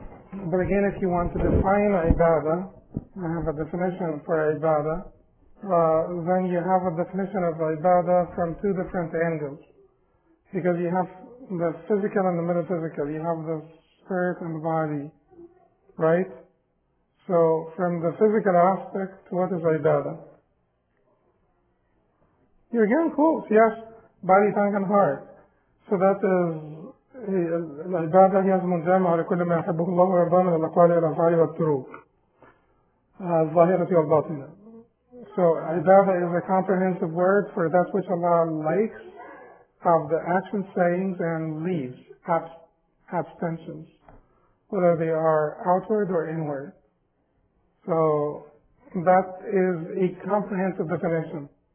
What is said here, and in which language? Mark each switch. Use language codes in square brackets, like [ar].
[en] But again, if you want to define ibadah, I have a definition for ibadah, then you have a definition of ibadah from two different angles. Because you have the physical and the metaphysical. You have the spirit and the body, right? So from the physical aspect, what is ibadah? You're getting close, yes. Body, tongue, and heart. So that is [ar] العبادة هي المنجمع لكل ما يحبه الله ويرضاه من الأقوال والأفعال والتروك الظاهرة والباطنة. [en] So عبادة is a comprehensive word for that which Allah likes of the actions, sayings, and leaves, abstentions, whether they are outward or inward. So that is a comprehensive definition.